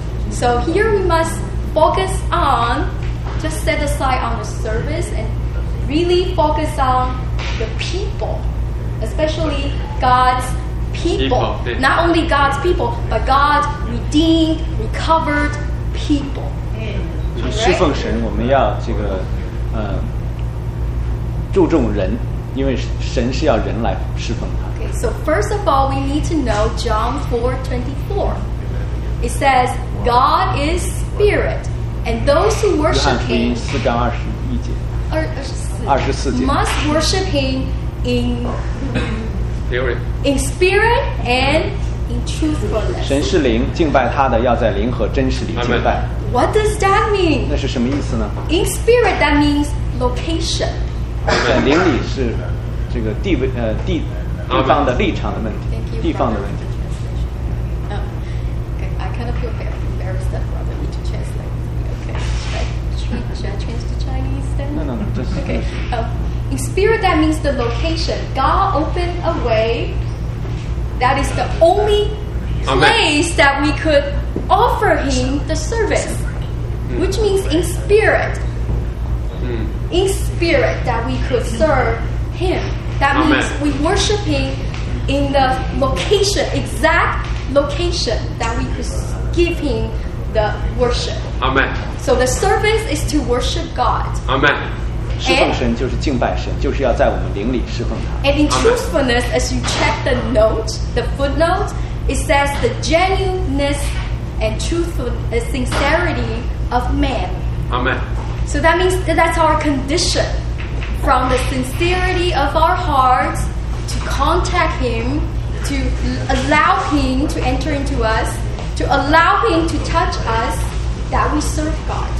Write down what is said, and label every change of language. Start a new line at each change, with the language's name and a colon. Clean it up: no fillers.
English: So here we must focus on, just set aside on the service and really focus on the people, especially God's people. Not only God's people, but God's redeemed, recovered people.
Chinese: 侍奉神，我们要这个，注重人，因为神是要人来侍奉他。
English: Okay, so first of all, we need to know John 4:24. It says, "God is spirit, and those who worship Him."
Chinese: 约翰福音四章二十一节。 24节。
English: Must worship Him in spirit and in truthfulness.
Chinese: 神是灵，敬拜他的要在灵和真实里敬拜。
English: What does that mean?
Chinese: 那是什么意思呢?
English: In spirit, that means location.
Chinese: 在灵里是这个地位地方的立场的问题。
English: Thank you,
Chinese: 地方的问题。
English: Okay, I kind of feel embarrassed that brother need to translate. Okay, should I change to Chinese then? No, just okay. In spirit, that means the location. God opened a way. That is the only place that we could. Offer him the service, which means in spirit. In spirit that we could serve him. That means we worship him in the location, exact location that we could give him the worship. Amen. So the service is to worship God. Amen.
Chinese: 侍奉神就是敬拜神，就是要在我们灵里侍奉他。
English: And in truthfulness, as you check the note, the footnote, it says the genuineness. And truthful sincerity of man. Amen. So that means that's our condition. From the sincerity of our hearts to contact Him, to allow Him to enter into us, to allow Him to touch us, that we serve God.